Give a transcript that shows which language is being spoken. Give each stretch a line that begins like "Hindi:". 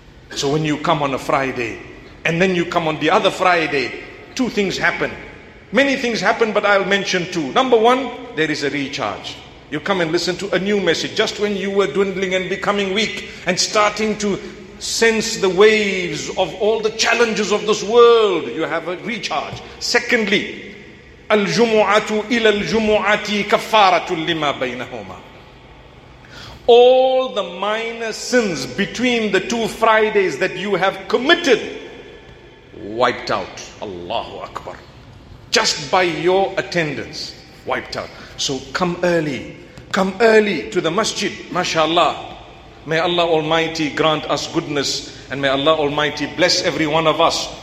English: So when you come on a Friday, and then you come on the other Friday, two things happen. Many things happen, but I'll mention two. Number one, there is a recharge. You come and listen to a new message, just when you were dwindling and becoming weak, and starting to sense the waves of all the challenges of this world, you have a recharge. Secondly,
Arabic: الْجُمُعَةُ إِلَى الْجُمُعَةِ كَفَّارَةٌ لِمَا بَيْنَهُمَا.
English: All the minor sins between the two Fridays that you have committed, wiped out. Allahu Akbar. Just by your attendance, wiped out. So come early. Come early to the masjid. MashaAllah. May Allah Almighty grant us goodness. And may Allah Almighty bless every one of us.